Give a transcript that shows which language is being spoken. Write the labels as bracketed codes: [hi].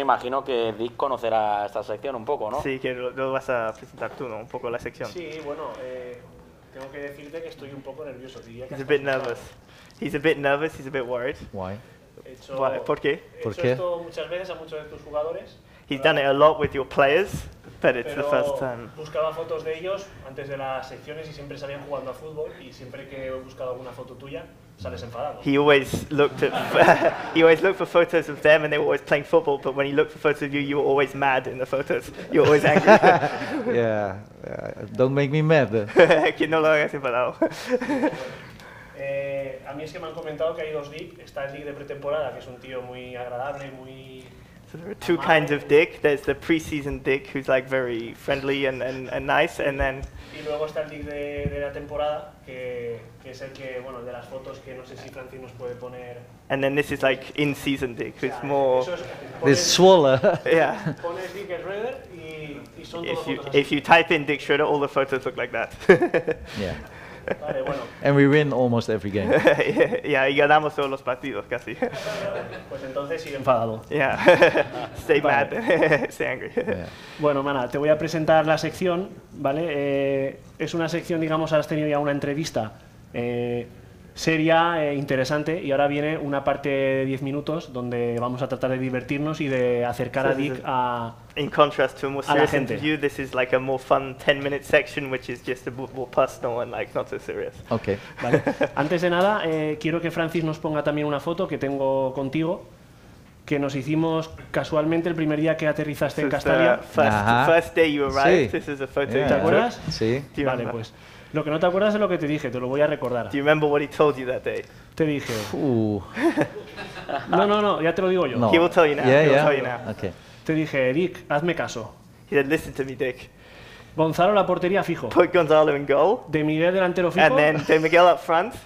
[es] Imagino que Dick conocerá esta sección un poco, ¿no? Sí, que lo vas a presentar tú, ¿no? Un poco la sección. Sí, bueno, tengo que decirte que estoy un poco nervioso. Diría que [en] he's a bit nervous. He's a bit nervous, he's a bit worried. Why? [es] ¿Por qué? He hecho esto muchas veces a muchos de tus jugadores. [en] He's done it a lot with your players, but it's the first time. [es] Buscaba fotos de ellos antes de las secciones y siempre salían jugando a fútbol y siempre que he buscado alguna foto tuya sales enfadado. [en] He always looked for photos of them and they were always playing football, but when he looked for photos of you, you were always mad in the photos. You were always angry. Yeah, don't make me mad. [es] Que no lo hagas enfadado. A mí es que me han comentado que hay dos Dick. Está el Dick de pretemporada, que es un tío muy agradable, muy... [en] So there are two kinds of Dick. There's the pre-season Dick, who's like very friendly and nice, and then... [es] Y luego está el Dick de la temporada, que es el que, bueno, de las fotos que no sé si Francis nos puede poner... [en] And then this is like in-season Dick, who's more... This swaller. Yeah. [es] Pones Dick Schreuder y son todas fotos. [en] If you type in Dick Schreuder, all the photos look like that. Yeah. [es] Vale, bueno. [en] And we win almost every game. [es] Yeah, y ganamos todos los partidos casi. Pues entonces sigue enfadado. [en] Yeah. Stay mad. Stay angry. Yeah. [es] Bueno, mana, te voy a presentar la sección, ¿vale? Es una sección, digamos, has tenido ya una entrevista seria, interesante, y ahora viene una parte de 10 minutos donde vamos a tratar de divertirnos y de acercar a Dick a [en] In contrast to a more serious interview, this is like a more fun 10-minute section, which is just a bit more personal and like not so serious. Okay. [es] Vale. Antes de nada, quiero que Francis nos ponga también una foto que tengo contigo, que nos hicimos casualmente el primer día que aterrizaste en Castalia. [en] First day you arrived, sí. This is a photo. [es] ¿Te acuerdas? Sí. Vale, pues. Lo que no te acuerdas es lo que te dije, te lo voy a recordar. [en] Do you remember what he told you that day? [es] Te dije. No, ya te lo digo yo. No. [en] He will tell you now. Yeah, he will tell you now. Okay. [es] Te dije, Eric, hazme caso. [en] He said, listen to me, Dick. [es] Gonzalo la portería fijo. [en] Put Gonzalo in goal. [es] De Miguel delantero fijo. [en] And then De Miguel up front.